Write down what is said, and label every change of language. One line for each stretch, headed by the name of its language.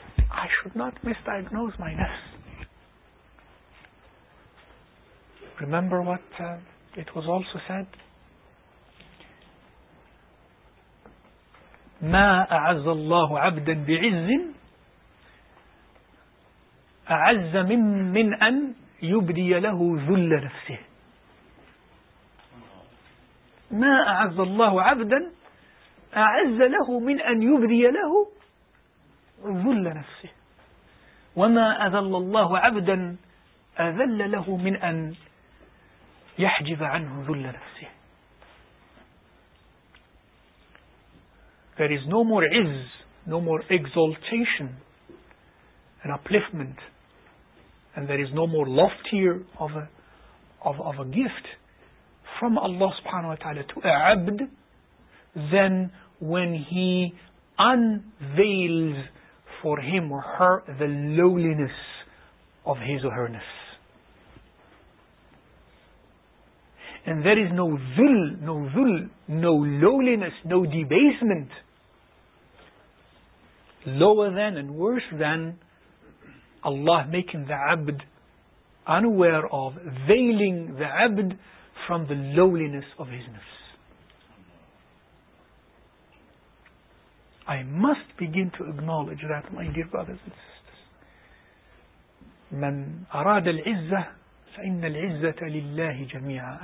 English: I should not misdiagnose my nafs. Remember what it was also said?
Arabic: ما أعز الله عبدا بعز أعز من أن يبدي له ذل نفسه. ما أعز الله عبدا أعز له من أن يبدي له ذل نفسه. وما أذل الله عبدا أذل له من أن يحجب عنه ذل نفسه.
English: There is no more izz, no more exaltation and upliftment, and there is no more loftier of a gift from Allah subhanahu wa ta'ala to a abd than when he unveils for him or her the lowliness of his or herness. And there is no zul, no lowliness, no debasement lower than and worse than Allah making the abd unaware of, veiling the abd from the lowliness of his nafs. I must begin to acknowledge that, my dear brothers and sisters.
Arabic: من أراد العزة فإن العزة لله جميعا.